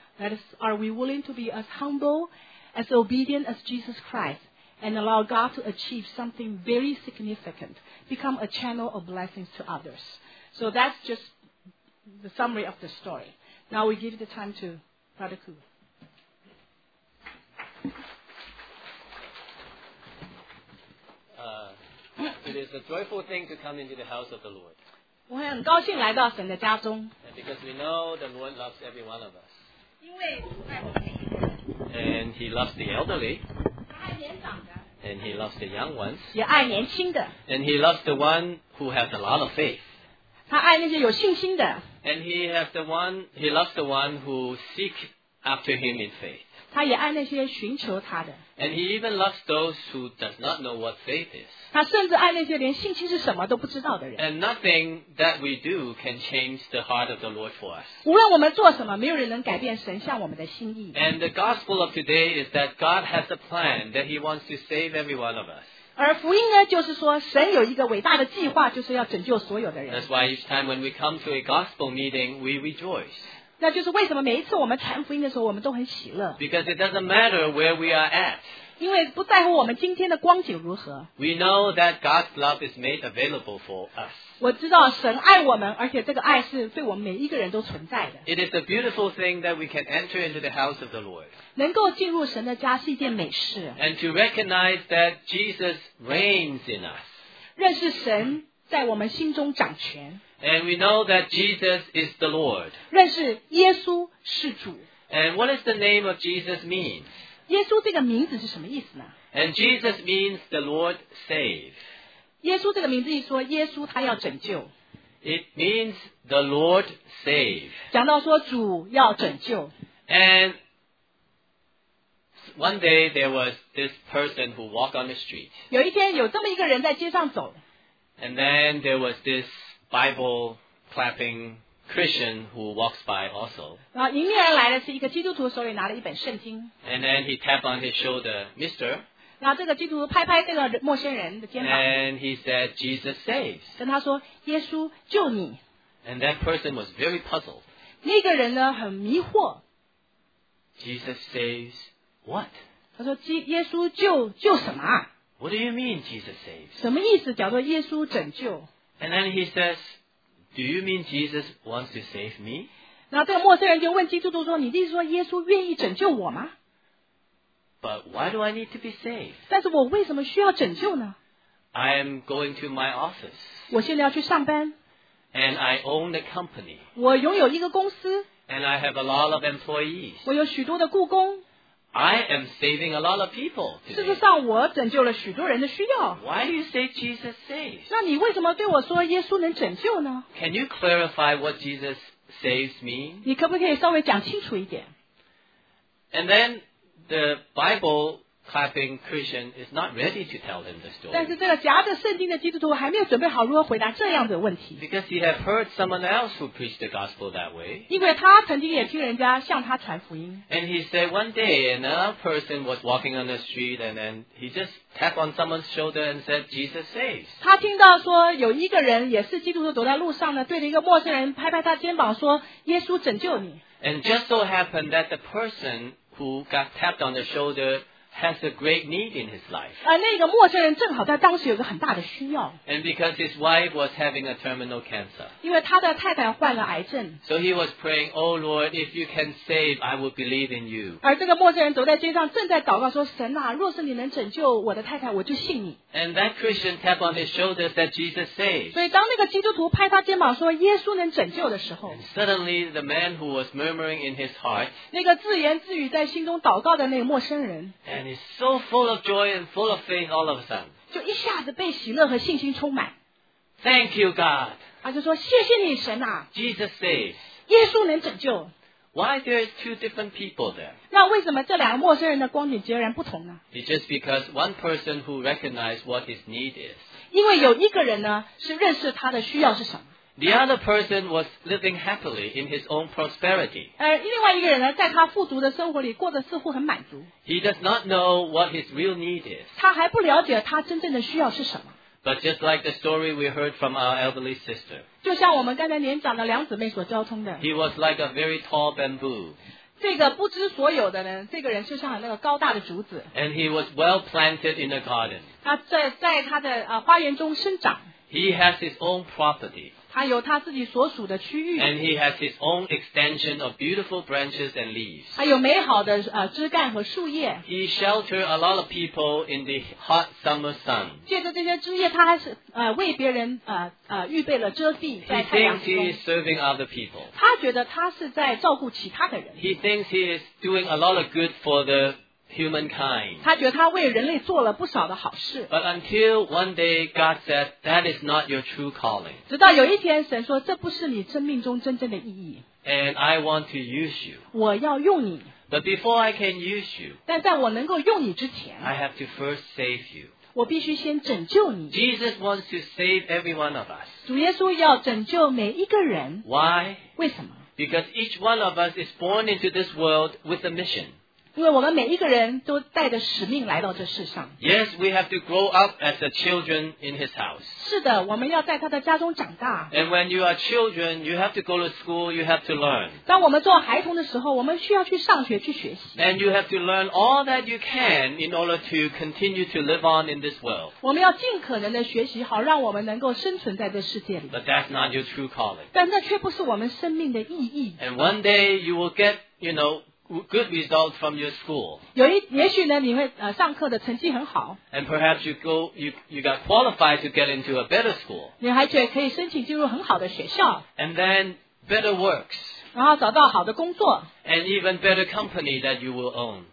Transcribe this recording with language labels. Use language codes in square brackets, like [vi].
[en] That is, are we willing to be as humble, as obedient as Jesus Christ, and allow God to achieve something very significant, become a channel of blessings to others? So that's just the summary of the story. Now we give the time to Brother Koo. It is a joyful thing to come into the house of the Lord. [zh] 我很高兴来到神的家中. [en] And because we know the Lord loves every one of us. [zh] 因为爱我们每一个人. [en] And he loves the elderly. [zh] 他爱年长的. [en] And he loves the young ones. [zh] 也爱年轻的. [en] And he loves the one who has a lot of faith. [zh] 他爱那些有信心的. [en] And he loves the one who seeks after him in faith. [zh] 他也爱那些寻求他的. [en] And he even loves those who does not know what faith is. [zh] 他甚至爱那些连信心是什么都不知道的人. [en] And nothing that we do can change the heart of the Lord for us. [zh] 无论我们做什么, 没有人能改变神向我们的心意. [en] And the gospel of today is that God has a plan that he wants to save every one of us. [zh] 而福音呢, 就是说, 神有一个伟大的计划, 就是要拯救所有的人。 [en] That's why each time when we come to a gospel meeting, we rejoice. [zh] 那就是为什么每一次我们传福音的时候, 我们都很喜乐。 [en] Because it doesn't matter where we are at. [zh] 因为不在乎我们今天的光景如何。 [en] We know that God's love is made available for us. [zh] 我知道神爱我们, 而且这个爱是对我们每一个人都存在的。 [en] It is a beautiful thing that we can enter into the house of the Lord. [zh] 能够进入神的家是一件美事。 [en] And to recognize that Jesus reigns in us. [zh] 认识神在我们心中掌权。 [en] And we know that Jesus is the Lord. [zh] 认识耶稣是主。 [en] And what does the name of Jesus mean? [zh] 耶稣这个名字是什么意思呢? [en] And Jesus means the Lord saves. [zh] 耶稣这个名字一说，耶稣他要拯救。 [en] It means the Lord saves. [zh] 讲到说主要拯救。 [en] And one day there was this person who walked on the street. [zh] 有一天有这么一个人在街上走。 [en] And then there was this Bible clapping Christian who walks by also. [zh] 迎面而来的是一个基督徒手里拿了一本圣经。 [en] And then he tapped on his shoulder, "Mister." [zh] 然后这个基督徒拍拍这个陌生人的肩膀。 [en] And he said, "Jesus saves." [zh] 跟他说, "耶稣救你." [en] And that person was very puzzled. [zh] 那个人呢很迷惑。 [en] Jesus saves what? [zh] 他说耶稣救什么 [en] ?What do you mean Jesus saves? [zh] 什么意思叫做耶稣拯救 [en] ?And then he says, do you mean Jesus wants to save me? [zh] 那这个陌生人就问基督徒说你意思说耶稣愿意拯救我吗 [en] ?But why do I need to be saved? [zh] 但是我为什么需要拯救呢 [en] ?I am going to my office. [zh] 我现在要去上班。 [en] And I own the company. [zh] 我拥有一个公司。 [en] And I have a lot of employees. [zh] 我有许多的雇工。 [en] I am saving a lot of people. [zh] 事实上我拯救了许多人的需要。 [en] Why do you say Jesus saves? [zh] 那你为什么对我说耶稣能拯救呢 [en] ?Can you clarify what Jesus saves mean? [zh] 你可不可以稍微讲清楚一点 [en] ?And then the Bible clapping Christian is not ready to tell him the story. [zh] 但是这个夹着圣经的基督徒还没有准备好如何回答这样的问题。 [en] Because he had heard someone else who preached the gospel that way. [zh] 因为他曾经也听人家向他传福音。 [en] And he said one day another person was walking on the street and then he just tapped on someone's shoulder and said, Jesus saves. [zh] 他听到说有一个人也是基督徒走在路上呢对着一个陌生人拍拍他肩膀说耶稣拯救你。 [en] And just so happened that the person who got tapped on the shoulder has a great need in his life. [zh] 那个陌生人正好在当时有个很大的需要。 [en] And because his wife was having a terminal cancer. [zh] 因为他的太太患了癌症。 [en] So he was praying, Oh Lord, if you can save, I will believe in you. [zh] 而这个陌生人走在街上正在祷告说神啊若是你能拯救我的太太我就信你。 [en] And that Christian tapped on his shoulder that Jesus saves. [zh] 所以当那个基督徒拍他肩膀说耶稣能拯救的时候。 [en] And suddenly the man who was murmuring in his heart. [zh] 那个自言自语在心中祷告的那个陌生人。 [en] And is so full of joy and full of faith all of a sudden. [zh] 就一下子被喜乐和信心充满。 [en] Thank you, God. [zh] 他就说谢谢你神啊。 [en] Jesus saves. [zh] 耶稣能拯救。 [en] Why there are two different people there? [zh] 那为什么这两个陌生人的光景截然不同呢 [en] It's just because one person who recognized what his need is. [zh] 因为有一个人呢是认识他的需要是什么。 [en] The other person was living happily in his own prosperity. [zh] 另外一个人呢在他富足的生活里过得似乎很满足。 [en] He does not know what his real need is. [zh] 他还不了解他真正的需要是什么。 [en] But just like the story we heard from our elderly sister. [zh] 就像我们刚才年长的两姊妹所交通的。 [en] He was like a very tall bamboo. [zh] 这个不知所有的人这个人就像那个高大的竹子。 [en] And he was well planted in the garden. [zh] 他 在他的花园中生长。 [en] He has his own property. [zh] 他有他自己所属的区域。 [en] And he has his own extension of beautiful branches and leaves. [zh] 他有美好的枝干和树叶。 [en] He shelters a lot of people in the hot summer sun. [zh] 借着这些枝叶他还是为别人预备了遮蔽在太阳中。 [en] He thinks he is serving other people. [zh] 他觉得他是在照顾其他的人。 [en] He thinks he is doing a lot of good for the humankind. [zh] 他觉得他为人类做了不少的好事。 [en] But until one day God said, that is not your true calling. [zh] 直到有一天神说这不是你生命中真正的意义。 [en] And I want to use you. [zh] 我要用你。 [en] But before I can use you, [zh] 但在我能够用你之前 [en] I have to first save you. [zh] 我必须先拯救你。 [en] Jesus wants to save every one of us. [zh] 主耶稣要拯救每一个人。 [en] Why? [zh] 为什么? [en] Because each one of us is born into this world with a mission. [zh] 因为我们每一个人都带着使命来到这世上。 [en] Yes, we have to grow up as the children in his house. [zh] 是的，我们要在他的家中长大。 [en] And when you are children, you have to go to school, you have to learn. [zh] 当我们做孩童的时候，我们需要去上学，去学习。 [en] And you have to learn all that you can in order to continue to live on in this world. [zh] 我们要尽可能的学习，好让我们能够生存在这世界里。 [en] But that's not your true calling. [zh] 但那却不是我们生命的意义。 [en] And one day you will get, you know,good results from your school. [zh] 也许呢你会上课的成绩很好。 [en] And perhaps you got qualified to get into a better school. [zh] 你还觉得可以申请进入很好的学校。 [en] And then better works. [zh] 然后找到好的工作。 [en] And even better company that you will own.